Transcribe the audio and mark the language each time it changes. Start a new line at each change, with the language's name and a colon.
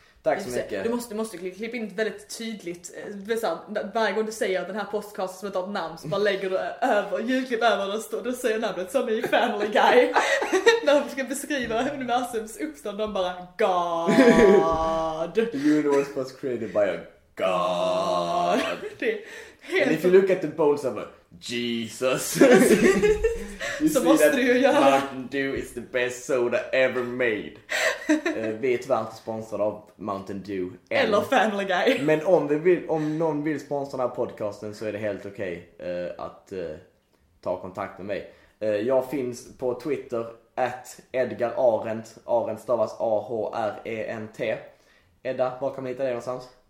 Swedish: Tack så mycket. Du måste klippa in väldigt tydligt. Varje gång du säger den här podcasten som ett annat namn, så bara lägger du över, ljudklipp över och står och säger namnet som i Family Guy. När de ska beskriva universums uppstånd, de bara God.
English: The universe was created by a God.
Swedish: Det
English: and if you look at the bones of a Jesus.
Swedish: Så måste du ju göra.
English: Mountain Dew is the best soda ever made.
Swedish: Vi är tyvärr inte sponsrade av Mountain Dew eller Family Guy. Men om, vi vill, om någon vill sponsra den här podcasten så är det helt okej att ta kontakt med mig. Jag finns på Twitter @EdgarArent. Arent stavas A-H-R-E-N-T. Edda, var kan man hitta dig någonstans?